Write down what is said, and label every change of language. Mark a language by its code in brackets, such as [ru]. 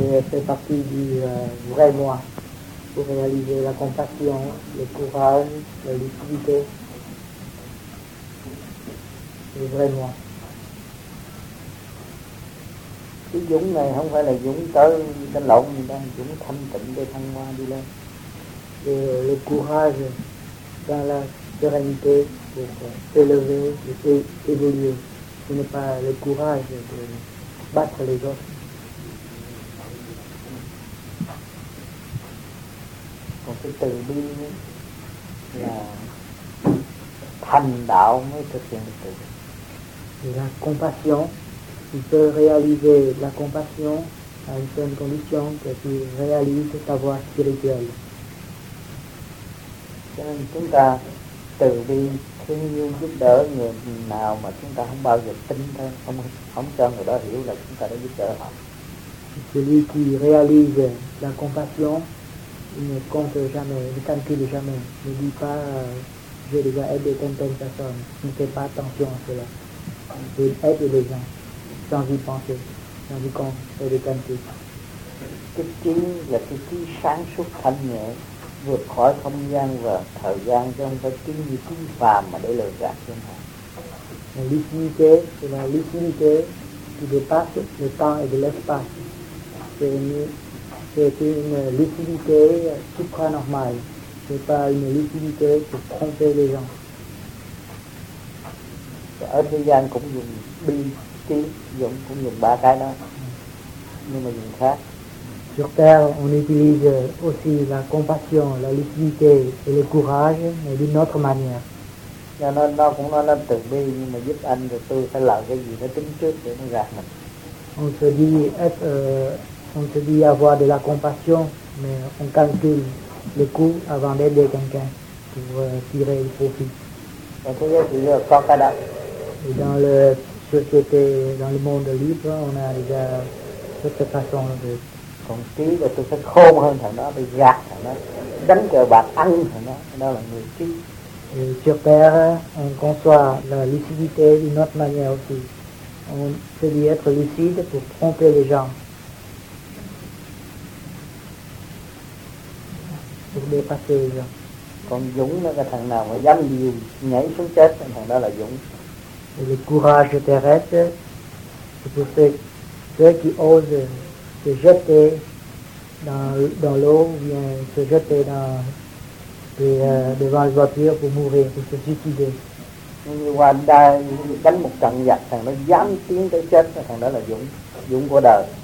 [fr] C'est partie du vrai moi pour réaliser la compassion, le courage, la lucidité, le vrai moi. [vi] Cái dũng này không phải là dũng tới đánh lộn người ta, dũng thanh tịnh để thăng hoa đi lên. [fr] Le courage dans la sérénité pour s'élever et évoluer. Ce n'est pas le courage de battre les autres. [vi] Còn cái từ bi là thành đạo mới thực hiện được từ bi. [fr] La compassion. Tu peux réaliser la compassion à une certaine condition que tu réalises ta voie spirituelle. [vi] Cho nên chúng ta từ bi thương yêu giúp đỡ người nào mà chúng ta không bao giờ tin thôi, không cho người đó hiểu là chúng ta đã giúp đỡ họ. [fr] Celui qui réalise la compassion, il ne compte jamais, il ne calcule jamais. Ne dit pas je dois aider tant de personnes. Ne fais pas attention à cela. Il aide les gens. Sans y penser, sans y compte, et de tenter. [vi] Cái trí là cái trí sáng suốt thanh nhẹ, vượt khỏi không gian và thời gian, chứ không phải trí như trí phàm mà để lừa gạt thiên hạ. [fr] La lucidité, c'est la lucidité qui dépasse le temps et de l'espace. C'est une lucidité supranormale, c'est pas une lucidité pour tromper les gens. [vi] Ở thế gian cũng dùng bi, dùng cũng dùng ba cái đó, nhưng mà dùng khác. [fr] Sur terre, on utilise aussi la compassion, la lucidité et le courage, mais d'une autre manière. [vi] Cho nên nó cũng nói là từ bi, nhưng mà giúp anh rồi tôi phải làm cái gì nó tính trước để nó gạt mình. [fr] On se dit avoir de la compassion, mais on calcule le coût avant d'aider quelqu'un pour tirer le profit. Et dans le société dans le monde libre, on a déjà cette façon de conquérir là, [vi] tôi sẽ khôn hơn thằng đó, bị gạt thằng đó, đánh cờ bạc ăn thằng đó, đó là người trí. [fr] Je perds, on conçoit la lucidité d'une autre manière aussi. On se dit être lucide pour tromper les gens. Pour dépasser les gens. [vi] Còn dũng là cái thằng nào mà dám nhiều nhảy xuống chết, thằng đó là dũng. [fr] Et le courage terrestre, c'est pour ceux qui osent se jeter dans l'eau ou bien se jeter dans... devant les voitures pour mourir, pour se suicider. [vi] Và đánh một trận giặc, thằng nó dám tiến tới chết, thằng đó là dũng, dũng của đời.